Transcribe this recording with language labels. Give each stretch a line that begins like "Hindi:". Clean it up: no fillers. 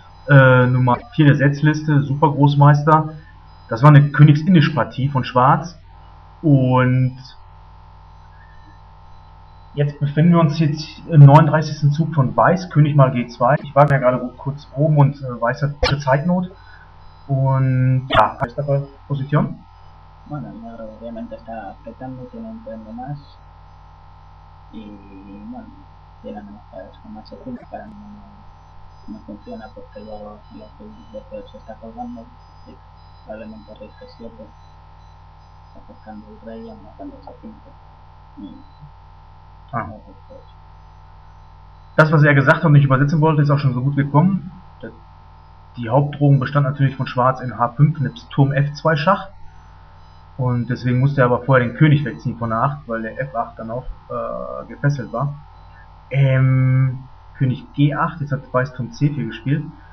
German: Nummer 4 der Setzliste, super Großmeister. Das war eine Königs-Indisch-Partie von Schwarz. Und jetzt befinden wir uns jetzt im 39. Zug von Weiß, König mal G2. Ich war ja gerade kurz oben und Weiß hat gute Zeitnot. Und ja, was ist da bei Position?
Spanish: Bueno, el negro obviamente está apretando, tiene un tren de más. Y bueno, tiene amenazas con más segundos para mí. No funciona porque luego el D8 se está colgando y probablemente rey G7 acercando el rey y amenazando el C5.
German: Das, was er gesagt hat und nicht übersetzen wollte, ist auch schon so gut gekommen. Der die Hauptdrohung bestand natürlich von Schwarz in H5, nebst Turm F2 Schach. Und deswegen musste er aber vorher den König wegziehen von A8, weil der F8 dann auch gefesselt war. König G8, jetzt hat Weiß Turm C4 gespielt.